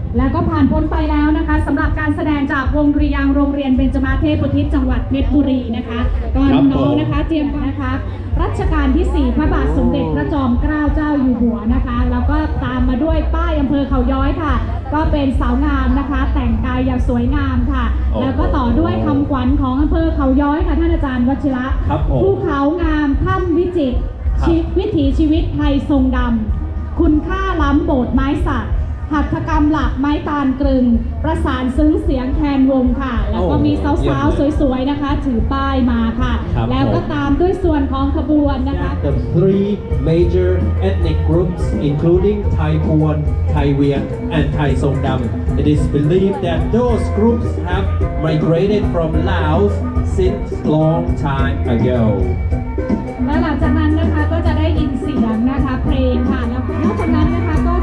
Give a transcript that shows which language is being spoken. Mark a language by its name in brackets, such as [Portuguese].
[Thai] แล้วก็ผ่านพ้นไปแล้วนะคะสำหรับการแสดงจากวงดุริยางค์โรงเรียนเบญจมาเทพอุทิศจังหวัดเพชรบุรีนะคะก็น้องนะคะเตรียมนะคะรัชกาลที่4พระบาทสมเด็จพระจอมเกล้าเจ้าอยู่หัวนะคะแล้วก็ตามมาด้วยป้ายอำเภอเขาย้อยค่ะก็เป็นสาวงามนะคะแต่งกายอย่างสวยงามค่ะแล้วก็ต่อด้วยคำขวัญของอำเภอเขาย้อยค่ะท่านอาจารย์วชิระภูเขางามถ้ำวิจิตรวิถีชีวิตไทยทรงดำคุณค่าล้ำโบสถ์ไม้สัก หัตถกรรมหลักไม้ตาลกรึงประสานซึ้งเสียงแคนวงค่ะแล้วก็มีสาวๆสวยๆนะคะถือป้ายมาค่ะแล้วก็ตามด้วยส่วนของขบวนนะคะ [English] The three major ethnic groups including Thai Puan, Thai Wien and Thai Songdam It is believed that those groups have migrated from Laos since long time ago [Thai] และหลัง จากนั้นนะคะก็จะได้ยินเสียงนะคะเพลงค่ะแล้วก็จากนั้นนะคะ